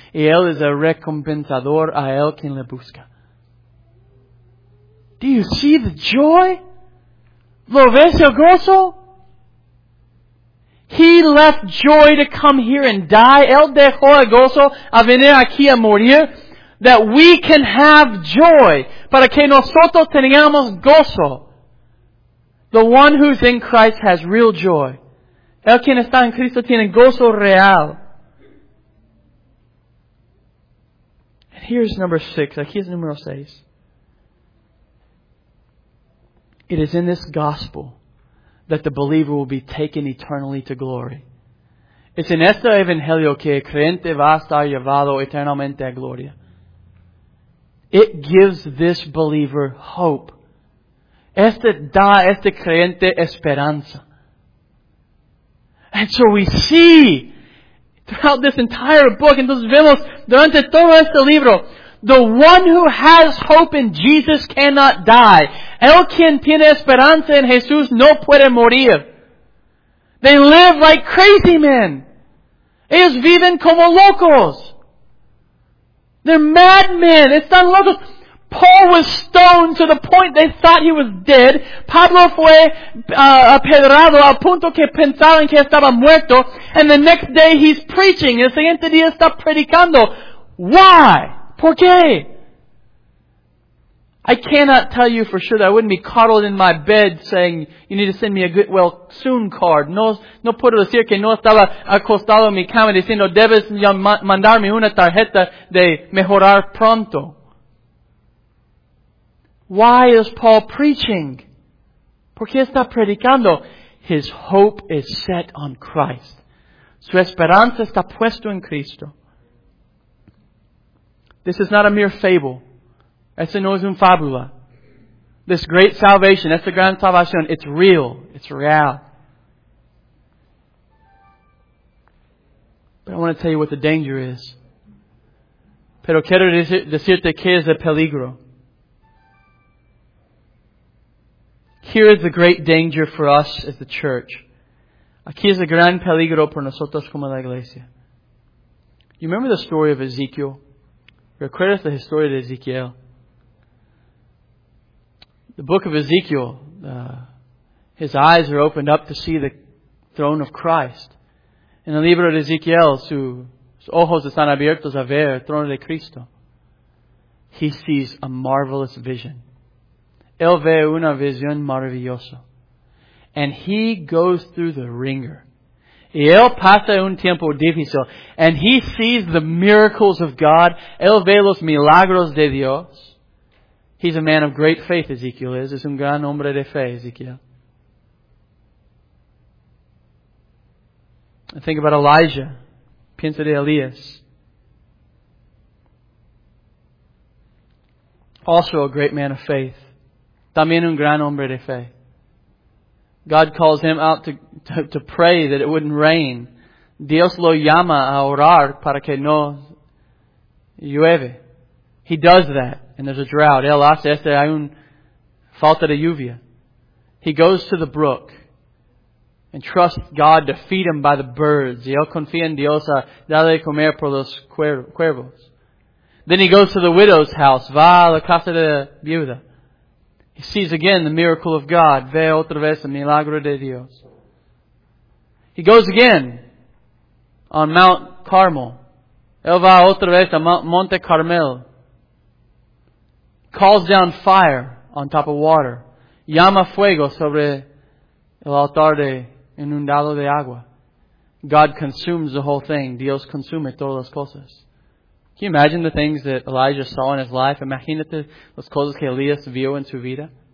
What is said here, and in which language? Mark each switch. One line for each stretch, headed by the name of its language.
Spanish: Y Él es el recompensador a Él quien le busca.
English: Do you see the joy?
Spanish: ¿Lo ves el gozo?
English: He left joy to come here and die.
Spanish: Él dejó el gozo a venir aquí a morir.
English: That we can have joy.
Spanish: Para que nosotros tengamos gozo.
English: The one who's in Christ has real joy.
Spanish: El quien está en Cristo tiene gozo real.
English: And here's number six.
Spanish: Aquí es número seis.
English: It is in this gospel that the believer will be taken eternally to glory.
Spanish: Es en este evangelio que el creyente va a estar llevado eternamente a gloria.
English: It gives this believer hope.
Spanish: Este da a este creyente esperanza.
English: And so we see throughout this entire book,
Spanish: entonces vemos durante todo este libro,
English: the one who has hope in Jesus cannot die.
Spanish: El quien tiene esperanza en Jesús no puede morir.
English: They live like crazy men.
Spanish: Ellos viven como locos.
English: They're madmen.
Spanish: Están locos.
English: Paul was stoned to the point they thought he was dead.
Spanish: Pablo fue apedrado al punto que pensaron que estaba muerto.
English: And the next day he's preaching.
Spanish: El siguiente día está predicando.
English: Why?
Spanish: ¿Por qué?
English: I cannot tell you for sure that I wouldn't be coddled in my bed saying, you need to send me a good, well, soon card.
Spanish: No puedo decir que no estaba acostado en mi cama diciendo, debes mandarme una tarjeta de mejorar pronto.
English: Why is Paul preaching?
Spanish: ¿Por qué está predicando?
English: His hope is set on Christ.
Spanish: Su esperanza está puesto en Cristo.
English: This is not a mere fable.
Spanish: Esta no es una fábula.
English: This great salvation,
Spanish: esta gran salvación,
English: it's real. It's real. But I want to tell you what the danger is.
Spanish: Pero quiero decirte qué es el peligro.
English: Here is the great danger for us as the church.
Spanish: Aquí es el gran peligro por nosotros como la iglesia.
English: You remember the story of Ezekiel?
Spanish: ¿Recuerdas la historia de Ezekiel?
English: The book of Ezekiel, his eyes are opened up to see the throne of Christ.
Spanish: En el libro de Ezekiel, sus ojos están abiertos a ver el trono de Cristo.
English: He sees a marvelous vision.
Spanish: Él ve una visión maravillosa.
English: And he goes through the ringer.
Spanish: Y él pasa un tiempo difícil.
English: And he sees the miracles of God.
Spanish: Él ve los milagros de Dios.
English: He's a man of great faith, Ezekiel is.
Spanish: Es un gran hombre de fe, Ezekiel.
English: And think about Elijah.
Spanish: Piensa de Elías.
English: Also a great man of faith.
Spanish: También un gran hombre de fe.
English: God calls him out to pray that it wouldn't rain.
Spanish: Dios lo llama a orar para que no llueve.
English: He does that. And there's a drought.
Spanish: Él hace este, hay un falta de lluvia.
English: He goes to the brook and trusts God to feed him by the birds.
Spanish: Y él confía en Dios a darle comer por los cuervos.
English: Then he goes to the widow's house.
Spanish: Va a la casa de la viuda.
English: He sees again the miracle of God.
Spanish: Ve otra vez el milagro de Dios.
English: He goes again on Mount Carmel.
Spanish: Él va otra vez a Monte Carmel.
English: Calls down fire on top of water.
Spanish: Llama fuego sobre el altar de inundado de agua.
English: God consumes the whole thing.
Spanish: Dios consume todas las cosas.
English: Can you imagine the things that Elijah saw in his life?
Spanish: Imagínate las cosas que Elías vio en su vida.